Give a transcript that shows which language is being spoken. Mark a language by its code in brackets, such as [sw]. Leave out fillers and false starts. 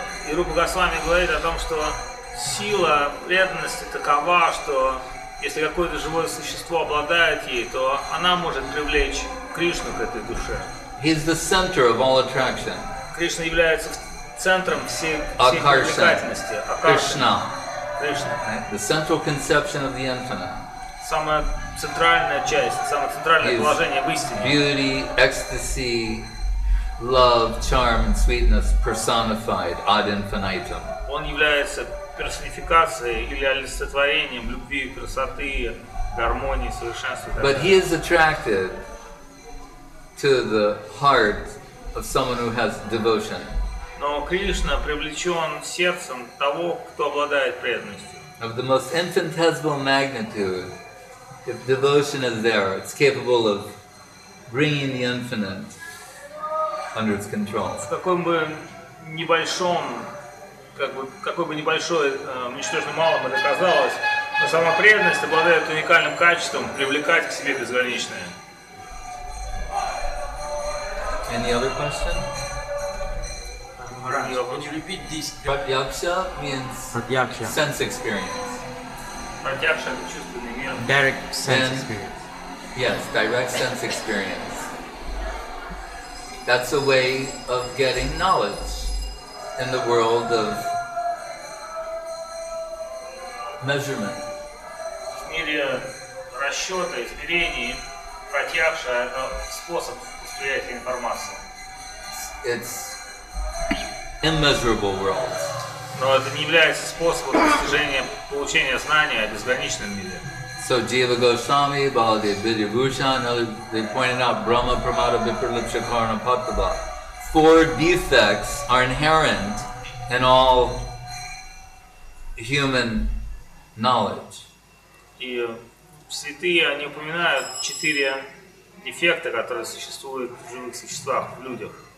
[ru] И Рупа Госвами говорит о том, что сила преданности такова, что если какое-то живое существо обладает ей, то она может привлечь Кришну к этой душе. [en] He is the center of all attraction. [ru] Кришна является центром всей привлекательности. Кришна. Кришна. [en] The central conception of the infinite. [ru] Самая центральная часть, самое центральное положение в истине. [en] Beauty, ecstasy, love, charm, and sweetness personified ad infinitum. [ru] Он является персонификацией или олицетворением любви, красоты, гармонии, совершенства. [en] But he is attracted to the heart of someone who has devotion. [ru] Но Кришна привлечен сердцем того, кто обладает преданностью. [en] Of the most infinitesimal magnitude, if devotion is there, it's capable of bringing the infinite under its control. [ru] В каком бы небольшом, как бы, какой бы небольшой, ничтожно малым это казалось, но сама преданность обладает уникальным качеством привлекать к себе безграничное. [en] Any other question? Can you repeat this? Pratyaksha means Pratyaksha. Sense experience. [ru] Pratyaksha, чувственный мир. [en] Direct sense experience. Yes, direct sense experience. That's a way of getting knowledge in the world of measurement. [ru] В мире расчета, измерений, Pratyaksha – это способ восприятия информации. [en] It's immeasurable world. [ru] Но это не является способом достижения, получения знания о безграничном мире. [en] So Jiva Goswami, Baladeva Vidyabhushan, they pointed out [sa] Brahma Pramada Viparlipsha Karana Pattava. [en] Four defects are inherent in all human knowledge. [ru] И святые, они упоминают четыре дефекта, которые существуют в живых существах, в людях.